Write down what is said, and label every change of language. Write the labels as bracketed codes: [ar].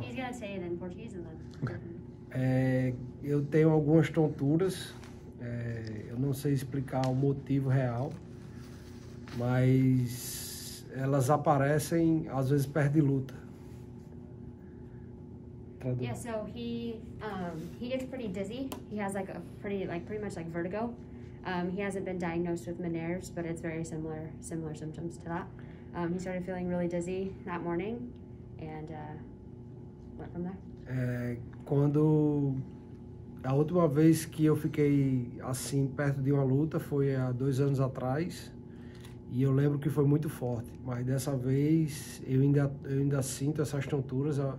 [en] He's gonna say it in Portuguese and then. [pt] Okay. Eu tenho algumas tonturas. Eu não sei explicar o motivo real, mas elas aparecem às vezes perto de luta. [en] Yeah, so he gets pretty dizzy. He has like a pretty much like vertigo. He hasn't been diagnosed with Meniere's, but it's very similar symptoms to that. He started feeling really dizzy that morning, and went from there. [pt] Quando a última vez que eu fiquei assim perto de uma luta foi há 2 anos atrás, e eu lembro que foi muito forte. Mas dessa vez eu ainda sinto essas tonturas.